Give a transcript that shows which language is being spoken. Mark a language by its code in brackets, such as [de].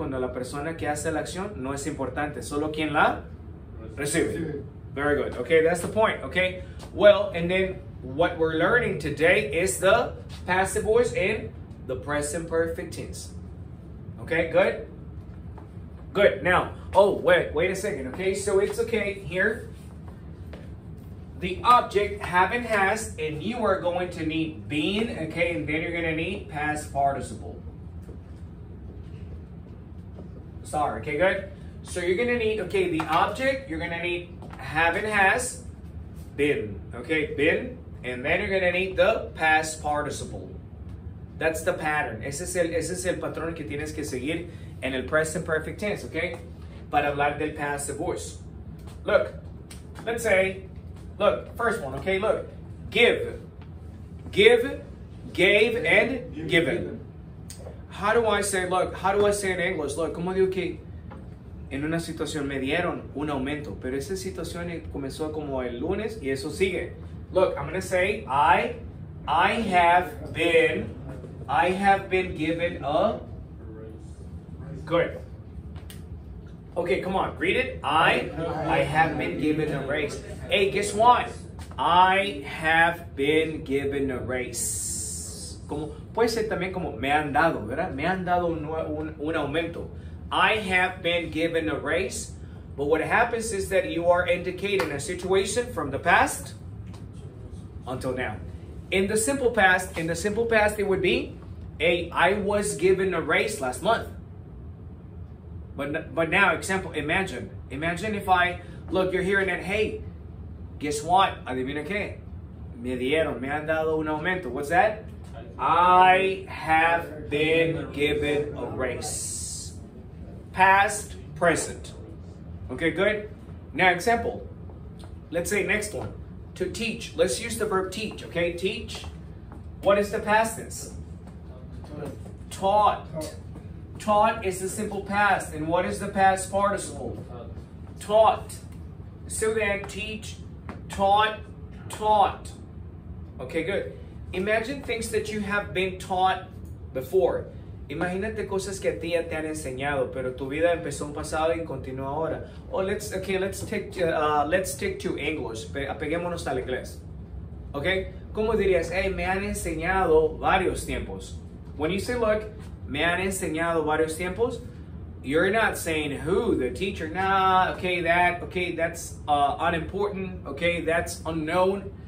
[es] Cuando la persona que hace la acción no es importante. Solo quien la recibe. [en] Very good. Okay, that's the point, okay? Well, and then what we're learning today is the passive voice in the present perfect tense. Okay, good? Good. Now, oh, wait a second. Okay, so it's okay here. The object have and has, and you are going to need been, okay, and then you're gonna need past participle. Sorry, okay, good? So you're gonna need, okay, the object, you're gonna need have and has, been, okay, been, and then you're gonna need the past participle. That's the pattern. [es] Ese es el patrón que tienes que seguir en el present perfect tense, okay? Para hablar del passive voice. [en] Look, let's say, look, first one, okay? Look, give. Give, gave, and given. How do I say, look, how do I say in English? [es] Look, ¿cómo digo que en una situación me dieron un aumento? Pero esa situación comenzó como el lunes y eso sigue. [en] Look, I'm going to say, I have been given a raise. Good. Okay, come on, read it. I have been given a raise. Hey, guess what? I have been given a raise. [es] Como, puede ser también como me han dado, ¿verdad? Me han dado un aumento. [en] I have been given a raise. But what happens is that you are indicating a situation from the past until now. In the simple past, it would be, hey, I was given a raise last month. But now, example, imagine if I, look, you're hearing it, hey, guess what? [es] Adivina qué? Me dieron, me han dado un aumento. [en] What's that? I have been given a raise. Past, present. Okay, good? Now, example. Let's say next one. To teach. Let's use the verb teach, okay? Teach. What is the past tense? Taught. Taught is the simple past. And what is the past participle? taught. So then teach, taught, taught. Okay, good. Imagine things that you have been taught before. [es] Imagínate cosas que a ti ya te han enseñado, pero tu vida empezó un pasado y continúa ahora. [en] Let's stick to English. [es] Apeguémonos al inglés. [en] Okay? [es] ¿Cómo dirías, hey, me han enseñado varios tiempos? [en] When you say, look, [es] me han enseñado varios tiempos, [en] you're not saying who, the teacher, nah, okay, that, okay, that's unimportant, okay, that's unknown.